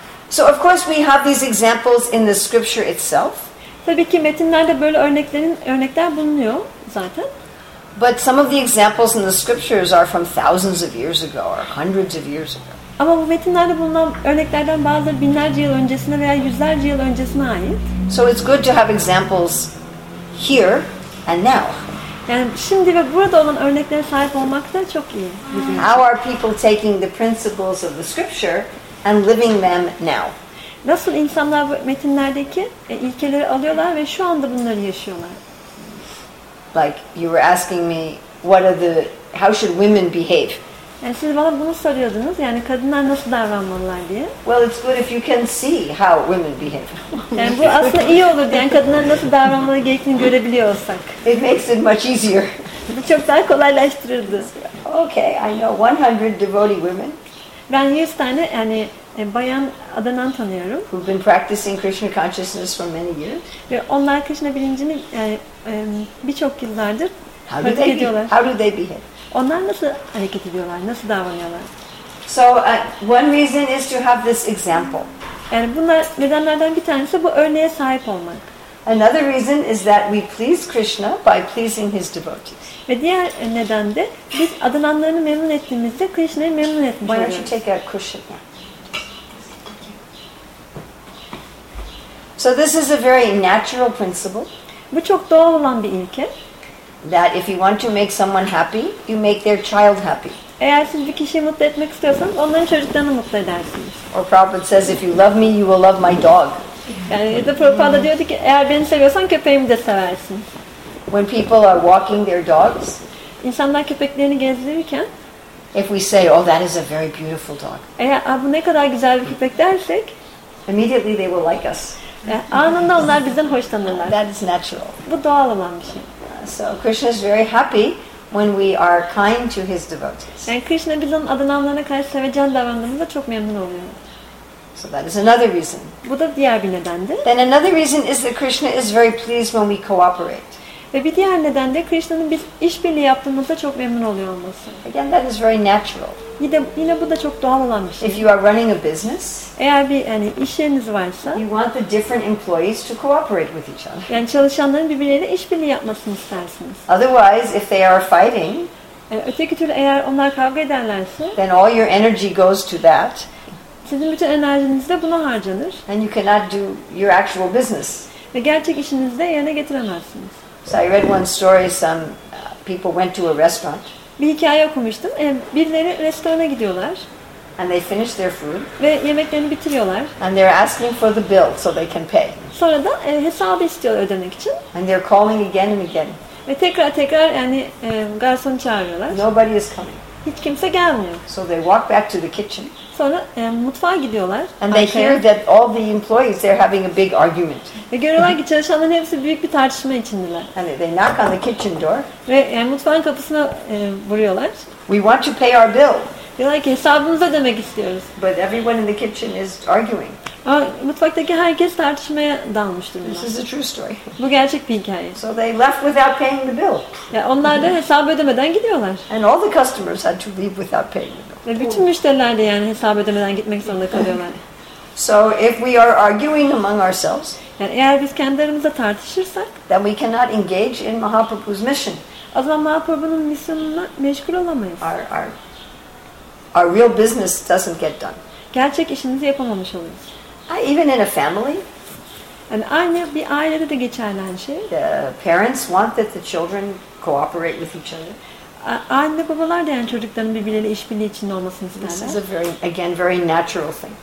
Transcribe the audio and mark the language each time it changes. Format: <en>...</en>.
<en>So of course we have these examples in the scripture itself.</en> <tr>Tabii ki metinlerde böyle örnekler bulunuyor zaten.</tr> <en>But some of the examples in the scriptures are from thousands of years ago or hundreds of years ago.</en> <tr>Ama bu metinlerde bulunan örneklerden bazıları binlerce yıl öncesine veya yüzlerce yıl öncesine ait.</tr> <en>So it's good to have examples here and now.</en> <tr>Yani şimdi ve burada olan örneklere sahip olmak da çok iyi.</tr> <en>How are people taking the principles of the scripture and living them now?</en> <tr>Nasıl insanlar bu metinlerdeki ilkeleri alıyorlar ve şu anda bunları yaşıyorlar?</tr> <en>Like you were asking me, how should women behave?</en> <tr>Yani siz bana bunu soruyordunuz, yani kadınlar nasıl davranmalılar diye.</tr> <en>Well, it's good if you can see how women behave.</en> <tr>Yani bu aslında iyi olur, yani kadınlar nasıl davranmalı gerektiğini görebiliyorsak.</tr> <en>It makes it much easier.</en> <tr>Bu çok daha kolaylaştırırdı.</tr> <en>Okay, I know 100 devotee women.</en> <tr>Ben 100 tane yani bayan adanan tanıyorum.</tr> <en>Who've been practicing Krishna consciousness for many years.</en> <tr>Ve onlar Krishna bilincini birçok yıllardır</tr> <en>how do they behave?</en> <tr>Onlar nasıl hareket ediyorlar? Nasıl davranıyorlar?</tr> <en>So one reason is to have this example.</en> <tr>Yani bunlar nedenlerden bir tanesi bu örneğe sahip olmak.</tr> <en>Another reason is that we please Krishna by pleasing his devotees.</en> <tr>Ve diğer neden de biz adananlarını memnun ettiğimizde Krishna'yı memnun etmiş oluyoruz.</tr> <en>Why don't you take a cushion? So this is a very natural principle.</en> <tr>Bu çok doğal olan bir ilke.</tr> <en>That if you want to make someone happy, you make their child happy.</en> <tr>Eğer siz bir kişiyi mutlu etmek istiyorsanız onların çocuklarını mutlu edersiniz.</tr> <en>Or Prabhupada says if you love me, you will love my dog.</en> <tr>Yani ya da Prabhupada diyordu ki eğer beni seviyorsan köpeğimi de seversin.</tr> <en>When people are walking their dogs,</en> <tr>insanlar köpeklerini gezdirirken,</tr> <en>if we say, oh, that is a very beautiful dog.</en> <tr>Eğer bu ne kadar güzel bir köpek dersek,</tr> <en>immediately they will like us.</en> <tr>Anında onlar bizden hoşlanırlar.</tr> <en>That is natural.</en> <tr>Bu doğal olan bir şey.</tr> <en>So Krishna is very happy when we are kind to his devotees.</en> <tr>Yani Krishna bizim adananlarına karşı sevecen davranımımızda çok memnun oluyor.</tr> <en>So that is another reason.</en> <tr>Bu da diğer bir nedendi.</tr> <en>Then another reason is that Krishna is very pleased when we cooperate.</en> <tr>Ve bir diğer neden de Krishna'nın biz işbirliği yaptığımızda çok memnun oluyor olması.</tr> <en>Again, that is very natural.</en> <tr>Yine bu da çok doğal olan bir şey.</tr> <en>If you are running a business,</en> <tr>eğer bir yani işiniz varsa,</tr> <en>you want the different employees to cooperate with each other.</en> <tr>Yani çalışanların birbirleriyle işbirliği yapmasını istersiniz.</tr> <en>Otherwise, if they are fighting,</en> <tr>öteki türlü eğer onlar kavga ederlerse,</tr> <en>then all your energy goes to that.</en> <tr>Sizin bütün enerjiniz de buna harcanır.</tr> <en>And you cannot do your actual business.</en> <tr>Ve gerçek işinizde yerine getiremezsiniz.</tr> <en>So I read one story. Some people went to a restaurant.</en> <tr>Bir hikaye okumuştum. Birileri restorana gidiyorlar.</tr> <en>And they finish their food.</en> <tr>Ve yemeklerini bitiriyorlar.</tr> <en>And they're asking for the bill so they can pay.</en> <tr>Sonra da hesabı istiyorlar ödemek için.</tr> <en>And they're calling again and again.</en> <tr>Ve tekrar yani garsonu çağırıyorlar.</tr> <en>Nobody is coming.</en> <tr>Hiç kimse gelmiyor.</tr> <en>So they walk back to the kitchen.</en> <tr>Sonra mutfağa gidiyorlar.</tr> <en>And they hear that all the employees they're having a big argument.</en> <tr>Ve görüyorlar ki çalışanların hepsi büyük bir tartışma içindeler.</tr> <en>And they knock on the kitchen door.</en> <tr>Ve mutfağın kapısına vuruyorlar.</tr> <en>We want to pay our bill.</en> <tr>Diyorlar ki hesabımızı ödemek istiyoruz.</tr> <en>But everyone in the kitchen is arguing.</en> <tr>Ama mutfaktaki herkes tartışmaya dalmış durumda.</tr> <en>This is a true story.</en> <tr>Bu gerçek bir hikaye.</tr> <en>So they left without paying the bill.</en> <tr>Ya onlar da hesabı ödemeden gidiyorlar.</tr> <en>And all the customers had to leave without paying the bill.</en> <tr>Ve bütün müşteriler de yani hesap ödemeden gitmek zorunda kalıyorlar.</tr> <en>So if we are arguing among ourselves,</en> <tr>yani eğer biz kendi aramızda tartışırsak,</tr> <en>then we cannot engage in Mahaprabhu's mission.</en> <tr>O zaman Mahaprabhu'nun misyonuna meşgul olamayız.</tr> <en>Our real business doesn't get done.</en> <tr>Gerçek işimizi yapamamış oluyoruz.</tr> <en>Even in a family,</en> <tr>yani aynı bir ailede de geçerli aynı şey.</tr> <en>The parents want that the children cooperate with each other.</en> <tr>Anne babalar da yani çocukların birbirleriyle işbirliği içinde olmasını isterler.</tr> <en>This is a very, again, very natural thing.</en>